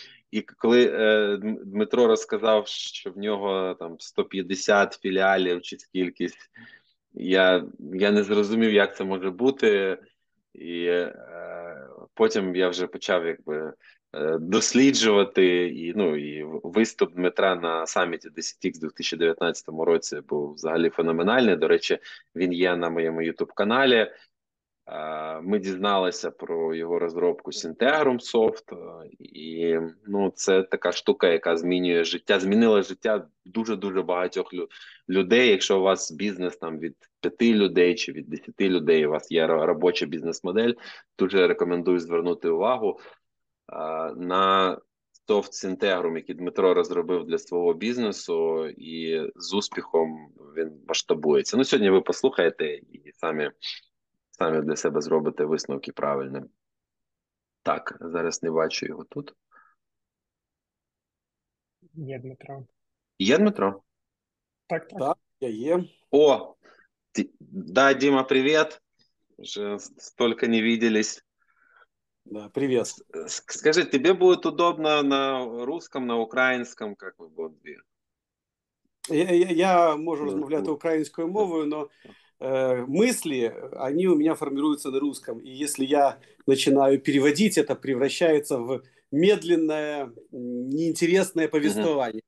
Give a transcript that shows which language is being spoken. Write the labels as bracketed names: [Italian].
[Ukrainian] І коли Дмитро розказав, що в нього там 150 філіалів чи скількись, я не зрозумів, як це може бути. І потім я вже почав якби досліджувати, і, ну, і виступ Дмитра на саміті 10X у 2019 році був взагалі феноменальний. До речі, він є на моєму YouTube-каналі. Ми дізналися про його розробку Syntegrum Soft, і ну, це така штука, яка змінює життя, змінила життя дуже-дуже багатьох людей. Якщо у вас бізнес там від 5 людей чи від 10 людей, у вас є робоча бізнес-модель, дуже рекомендую звернути увагу на софт Syntegrum, який Дмитро розробив для свого бізнесу, і з успіхом він масштабується. Ну, сьогодні ви послухаєте і самі для себе зробите висновки правильні. Так, зараз не бачу його тут. Є Дмитро. Є Дмитро? Так, так. Так, я є. О, да, Діма, привіт. Вже стільки не виділись. [Russian] Да, привет. Скажи, тебе будет удобно на русском, на украинском, как вы будете? Я могу разговаривать украинскую мову, но мысли, они у меня формируются на русском. И если я начинаю переводить, это превращается в медленное, неинтересное повествование.